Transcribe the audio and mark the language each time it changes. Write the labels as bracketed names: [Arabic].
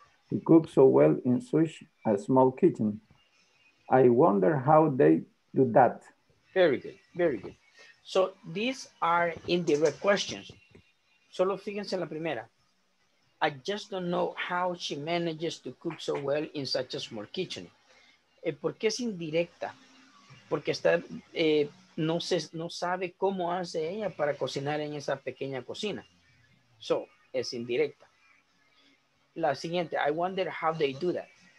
[English] She cooks so well in such a small kitchen. I wonder how they do that. Very good, very good. So these are indirect questions. [Spanish] Solo fíjense en la primera. [English] I just don't know how she manages to cook so well in such a small kitchen. [Spanish] ¿Por qué es indirecta? Porque está, no sabe cómo hace ella para cocinar en esa pequeña cocina. So, es indirecta. La siguiente, [English] I wonder how they do that.